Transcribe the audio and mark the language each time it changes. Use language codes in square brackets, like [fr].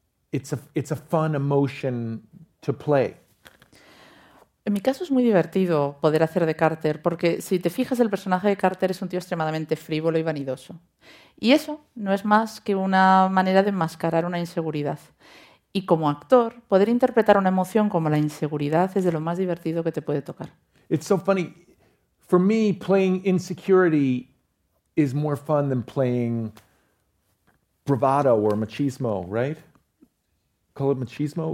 [en] It's a fun emotion to play. [es] En mi caso es muy divertido poder hacer de Carter, porque si te fijas, el personaje de Carter es un tío extremadamente frívolo y vanidoso. Y eso no es más que una manera de enmascarar una inseguridad. Y como actor, poder interpretar una emoción como la inseguridad es de lo más divertido que te puede tocar. [en] It's so funny. For me, playing insecurity is more fun than playing bravado or machismo, right? Call it machismo?